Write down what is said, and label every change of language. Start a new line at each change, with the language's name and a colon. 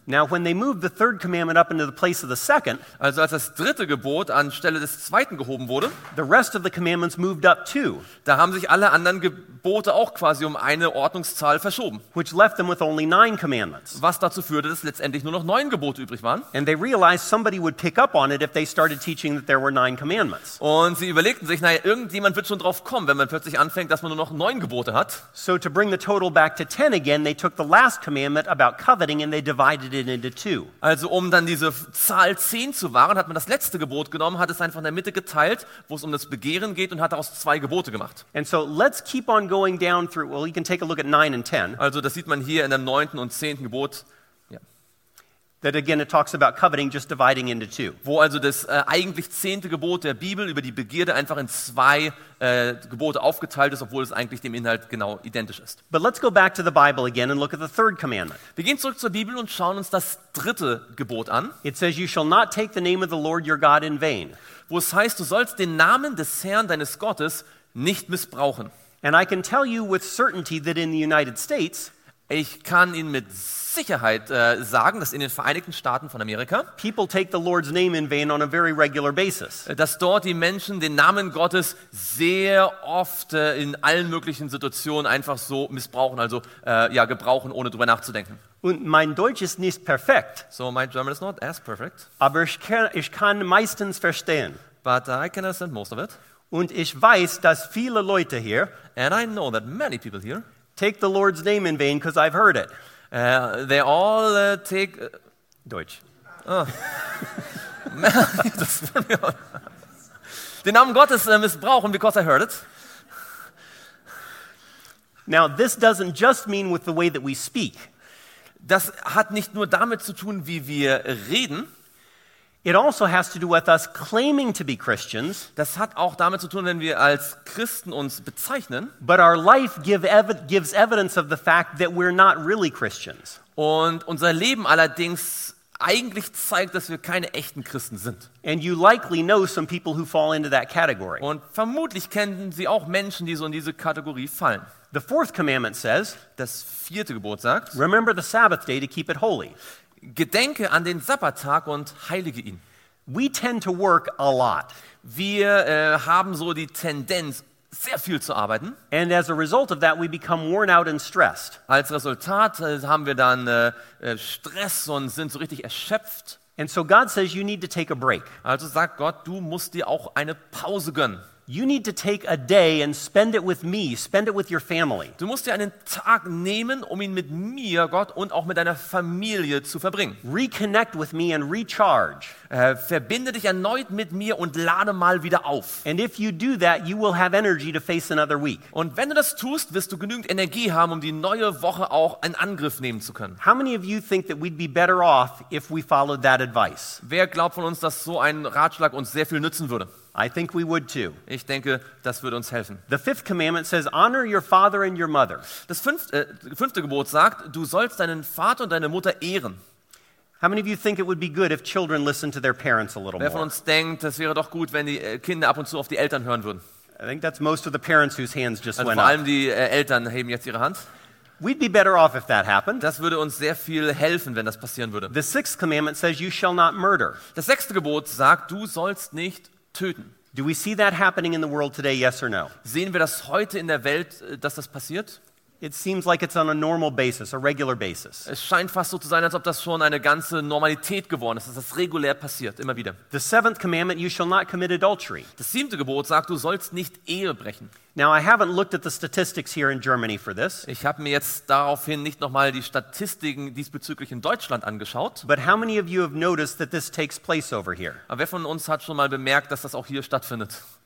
English: Now, when they moved the third commandment up into the place of the second,
German: also als das dritte Gebot anstelle des zweiten gehoben wurde,
English: the rest of the commandments moved up too.
German: Da haben sich alle anderen Gebote auch quasi um eine Ordnungszahl verschoben.
English: Which left them with only 9 commandments.
German: Was dazu führte, dass letztendlich nur noch 9 Gebote übrig waren.
English: And they realized somebody would pick up on it if they started teaching that there were 9 commandments.
German: Und sie überlegten sich, naja, irgendjemand wird schon drauf kommen, wenn man plötzlich anfängt, dass man nur noch 9 Gebote hat.
English: So to bring the total back to 10 again, they took the last commandment about coveting and they divided it into 2.
German: Also um dann diese Zahl 10 zu wahren, hat man das letzte Gebot genommen, hat es einfach in der Mitte geteilt, wo es um das Begehren geht und hat daraus 2 Gebote gemacht.
English: And so let's keep on going down through, well you can take a look at 9 and 10.
German: Also das sieht man hier in dem 9. und 10. Gebot.
English: That again it talks about coveting just dividing into 2.
German: Wo also das eigentlich 10. Gebot der Bibel über die Begierde einfach in 2 Gebote aufgeteilt ist, obwohl es eigentlich dem Inhalt genau identisch ist.
English: But let's go back to the Bible again and look at the third commandment.
German: Wir gehen zurück zur Bibel und schauen uns das dritte Gebot an.
English: It says you shall not take the name of the Lord your God in vain.
German: Wo es heißt, du sollst den Namen des Herrn deines Gottes nicht missbrauchen.
English: And I can tell you with certainty that in the United States,
German: Ich kann Ihnen mit Sicherheit sagen, dass in den Vereinigten Staaten von Amerika
English: people take the Lord's name in vain on a very regular basis.
German: Dass dort die Menschen den Namen Gottes sehr oft in allen möglichen Situationen einfach so missbrauchen, also ja gebrauchen, ohne drüber nachzudenken. Und mein Deutsch ist nicht perfekt.
English: So my German is not as perfect.
German: Aber ich kann meistens verstehen.
English: But I can understand most of it.
German: Und ich weiß, dass viele Leute hier
English: and I know that many people here take the Lord's name in vain because I've heard it. They all take
German: Deutsch. Den Namen Gottes missbrauchen
English: because I heard it. Now this doesn't just mean with the way that we speak.
German: Das hat nicht nur damit zu tun, wie wir reden.
English: It also has to do with us claiming to be Christians.
German: Das hat auch damit zu tun, wenn wir als Christen uns bezeichnen.
English: But our life gives evidence of the fact that we're not really Christians.
German: Und unser Leben allerdings eigentlich zeigt, dass wir keine echten Christen sind.
English: And you likely know some people who fall into that category.
German: Und vermutlich kennen Sie auch Menschen, die so in diese Kategorie fallen.
English: The fourth commandment says,
German: das vierte Gebot sagt,
English: remember the Sabbath day to keep it holy.
German: Gedenke an den Sabbattag und heilige ihn.
English: We tend to work a lot.
German: Wir haben so die Tendenz, sehr viel zu arbeiten.
English: And as a result of that, we become worn out and stressed.
German: Als Resultat haben wir dann Stress und sind so richtig erschöpft.
English: And so God says, you need to take a break.
German: Also sagt Gott, du musst dir auch eine Pause gönnen.
English: You need to take a day and spend it with me, spend it with your family.
German: Du musst dir einen Tag nehmen, um ihn mit mir, Gott, und auch mit deiner Familie zu verbringen.
English: Reconnect with me and recharge.
German: Verbinde dich erneut mit mir und lade mal wieder auf.
English: And if you do that, you will have energy to face another week.
German: Und wenn du das tust, wirst du genügend Energie haben, um die neue Woche auch in Angriff nehmen zu können.
English: How many of you think that we'd be better off if we followed that advice?
German: Wer glaubt von uns, dass so ein Ratschlag uns sehr viel nützen würde?
English: I think we would too.
German: Ich denke, das würde uns helfen.
English: The fifth commandment says, honor your father and your mother.
German: Das fünfte Gebot sagt, du sollst deinen Vater und deine Mutter ehren.
English: How many of you think it would be good if children listened to their parents a little more?
German: Wer von uns denkt, das wäre doch gut, wenn die Kinder ab und zu auf die Eltern hören würden?
English: I think that's most of the parents whose hands just
German: also
English: went
German: vor allem
English: up.
German: Die Eltern heben jetzt ihre Hand.
English: We'd be better off if that happened.
German: Das würde uns sehr viel helfen, wenn das passieren würde.
English: The sixth commandment says, you shall not murder.
German: Das sechste Gebot sagt, du sollst nicht töten.
English: Do we see that happening in the world today, yes or no?
German: Sehen wir das heute in der Welt, dass das passiert?
English: It seems like it's on a normal basis, a regular basis.
German: Es scheint fast so zu sein, als ob das schon eine ganze Normalität geworden ist, dass das regulär passiert, immer wieder.
English: The seventh commandment, you shall not commit adultery.
German: Das siebte Gebot sagt, du sollst nicht Ehe brechen.
English: Now I haven't looked at the statistics here in Germany for this.
German: Ich habe mir jetzt daraufhin nicht nochmal die Statistiken diesbezüglich in Deutschland angeschaut.
English: But how many of you have noticed that this takes place over here?
German: Aber wer von uns hat schon mal bemerkt, dass das auch hier stattfindet?